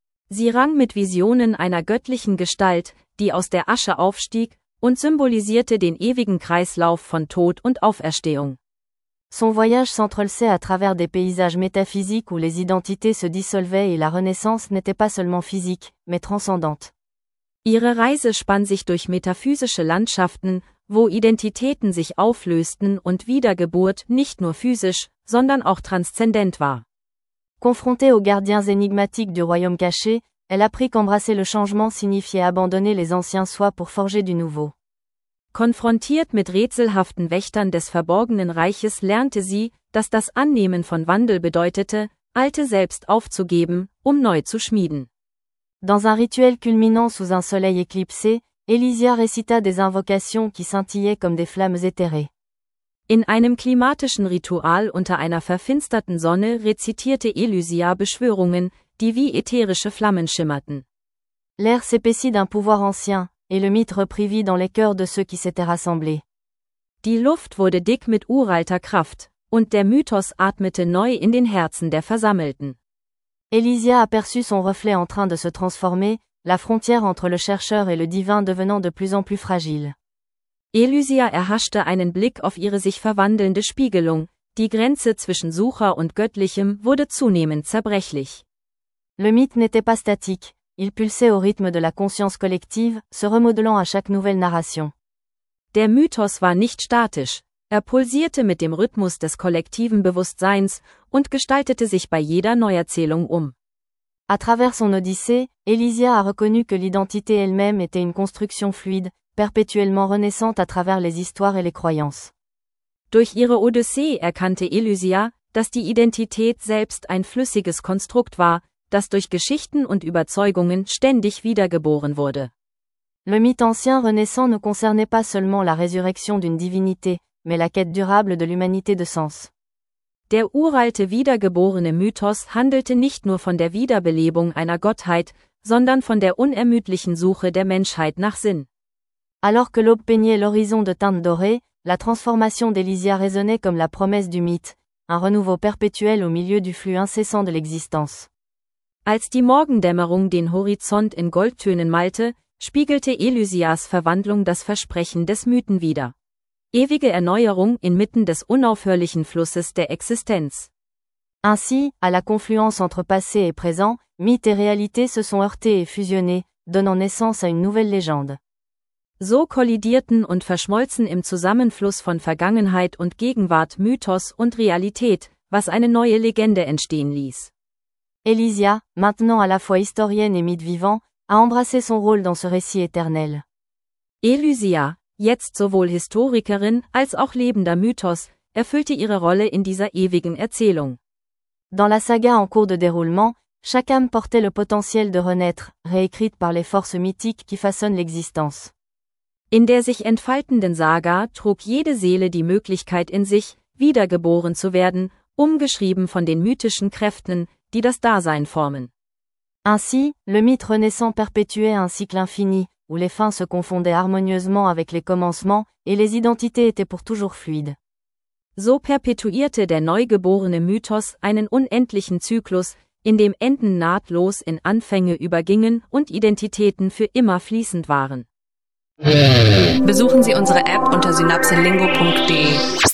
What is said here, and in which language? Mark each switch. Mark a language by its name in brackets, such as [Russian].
[German] Sie rang mit Visionen einer göttlichen Gestalt, die aus der Asche aufstieg, und symbolisierte den ewigen Kreislauf von Tod und Auferstehung. [French] Son voyage s'entrelaçait à travers des paysages métaphysiques où les identités se dissolvaient et la Renaissance n'était pas seulement physique, mais transcendante. [German] Ihre Reise spann sich durch metaphysische Landschaften, wo Identitäten sich auflösten und Wiedergeburt nicht nur physisch, sondern auch transzendent war. [French] Confrontée aux gardiens énigmatiques du royaume caché, elle apprit qu'embrasser le changement signifiait abandonner les anciens soi pour forger du nouveau. [German] Konfrontiert mit rätselhaften Wächtern des verborgenen Reiches lernte sie, dass das Annehmen von Wandel bedeutete, alte selbst aufzugeben, um neu zu schmieden. [French] Dans un rituel culminant sous un soleil éclipsé, Elysia récita des invocations qui scintillaient comme des flammes éthérées. [German] In einem klimatischen Ritual unter einer verfinsterten Sonne rezitierte Elysia Beschwörungen, die wie ätherische Flammen schimmerten. [French] L'air s'épaissit d'un pouvoir ancien, et le mythe reprit vie dans les cœurs de ceux qui s'étaient rassemblés. [German] Die Luft wurde dick mit uralter Kraft, und der Mythos atmete neu in den Herzen der Versammelten. [French] Elysia aperçut son reflet en train de se transformer, la frontière entre le chercheur et le divin devenant de plus en plus fragile. [German] Elysia erhaschte einen Blick auf ihre sich verwandelnde Spiegelung, die Grenze zwischen Sucher und Göttlichem wurde zunehmend zerbrechlich. [French] Le mythe n'était pas statique, il pulsait au rythme de la conscience collective, se remodelant à chaque nouvelle narration. [German] Der Mythos war nicht statisch, er pulsierte mit dem Rhythmus des kollektiven Bewusstseins und gestaltete sich bei jeder Neuerzählung um. [French] À travers son odyssée, Elysia a reconnu que l'identité elle-même était une construction fluide, perpétuellement renaissante à travers les histoires et les croyances. [German] Durch ihre Odyssee erkannte Elysia, dass die Identität selbst ein flüssiges Konstrukt war, das durch Geschichten und Überzeugungen ständig wiedergeboren wurde. [French] Le mythe ancien renaissant ne concernait pas seulement la résurrection d'une divinité, mais la quête durable de l'humanité de sens. [German] Der uralte wiedergeborene Mythos handelte nicht nur von der Wiederbelebung einer Gottheit, sondern von der unermüdlichen Suche der Menschheit nach Sinn. [French] Alors que l'aube peignait l'horizon de teintes dorées, la transformation d'Elysia résonnait comme la promesse du mythe, un renouveau perpétuel au milieu du flux incessant de l'existence. [German] Als die Morgendämmerung den Horizont in Goldtönen malte, spiegelte Elysias Verwandlung das Versprechen des Mythen wider. Ewige Erneuerung inmitten des unaufhörlichen Flusses der Existenz. [French] Ainsi, à la confluence entre passé et présent, mythe et réalité se sont heurtés et fusionnés, donnant naissance à une nouvelle légende. [German] So kollidierten und verschmolzen im Zusammenfluss von Vergangenheit und Gegenwart Mythos und Realität, was eine neue Legende entstehen ließ. [French] Elysia, maintenant à la fois historienne et mythe vivant, a embrassé son rôle dans ce récit éternel. [German] Elysia, jetzt sowohl Historikerin als auch lebender Mythos, erfüllte ihre Rolle in dieser ewigen Erzählung. [French] Dans la saga en cours de déroulement, chaque âme portait le potentiel de renaître, réécrite par les forces mythiques qui façonnent l'existence. [German] In der sich entfaltenden Saga trug jede Seele die Möglichkeit in sich, wiedergeboren zu werden, umgeschrieben von den mythischen Kräften, die das Dasein formen. [French] Ainsi, le mythe renaissant perpétuait un cycle infini, où les fins se confondaient harmonieusement avec les commencements, et les identités étaient pour toujours fluides. [German] So perpetuierte der neugeborene Mythos einen unendlichen Zyklus, in dem Enden nahtlos in Anfänge übergingen und Identitäten für immer fließend waren. Besuchen Sie unsere App unter synapselingo.de.